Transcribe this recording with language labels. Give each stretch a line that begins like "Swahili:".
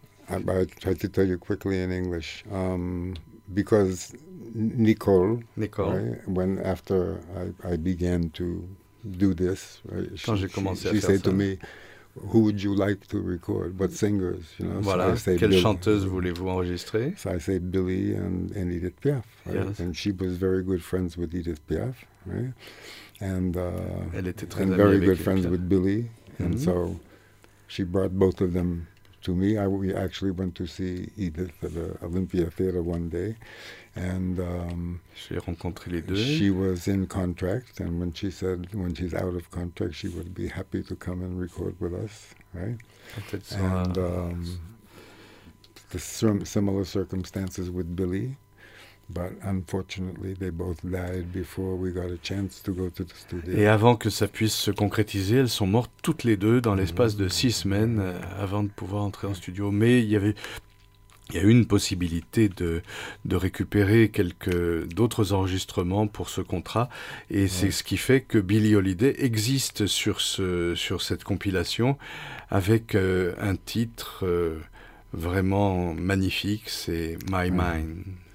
English: I'll try to tell you quickly in English. Because Nicole, right, when after I began to do this,
French: right, quand
English: she said to me, "Who would you like to record? What singers?" You know. Voilà. So I say,
French: quelle chanteuse voulez-vous enregistrer?
English: So I say Billy and Edith Piaf, right? Yes. And she was very good friends with Edith Piaf, right?
French: Elle était très
English: and very good friends with Billy, and so she brought both of them to me. We actually went to see Edith at the Olympia Theater one day, and
French: j'ai rencontré les deux.
English: She was in contract, and when she said when she's out of contract, she would be happy to come and record with us, right? And the similar circumstances with Billy, but unfortunately, they both died before we got a chance to go to the studio.
French: Et avant que ça puisse se concrétiser, elles sont mortes toutes les deux dans l'espace de 6 semaines avant de pouvoir entrer en studio. Mais il y a une possibilité de récupérer quelques d'autres enregistrements pour ce contrat, et c'est ce qui fait que Billie Holiday existe sur cette compilation avec un titre vraiment magnifique, c'est My Mind.